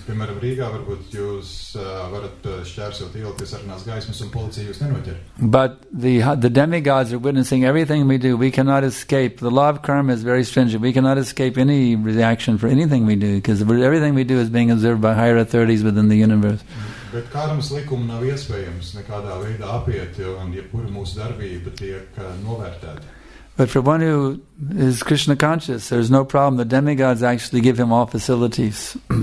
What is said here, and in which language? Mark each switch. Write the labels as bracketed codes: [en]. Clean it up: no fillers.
[en] But the demigods are witnessing everything we do. We cannot escape. The law of karma is very stringent. We cannot escape any reaction for anything we do because everything we do is being observed by higher authorities within the universe. [lv] Bet karmas likuma nav iespējams nekādā veidā apiet, un jebkura mūsu darbība tiek novērtēta. [en] But for one who is Krishna conscious, there is no problem. The demigods actually give him all facilities.